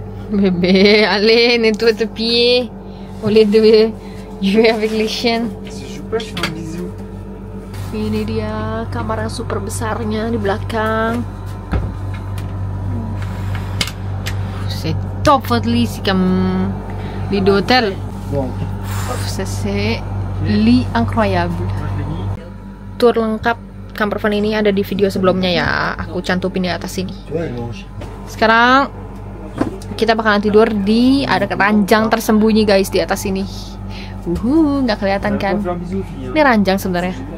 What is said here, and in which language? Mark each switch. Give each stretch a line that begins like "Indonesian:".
French: Bébé, allez, nettoie tes pieds. On les deux, jouer avec les chiens.
Indonesian: Ini dia kamar yang super besarnya di belakang.
French: C'est top votre lit, c'est comme lit d'hôtel. Bon. Ça c'est lit incroyable.
Indonesian: Tour lengkap campervan ini ada di video sebelumnya ya. Aku cantumin di atas sini. Sekarang kita bakalan tidur di ada ranjang tersembunyi guys di atas sini. Nggak kelihatan kan? Ini ranjang sebenarnya.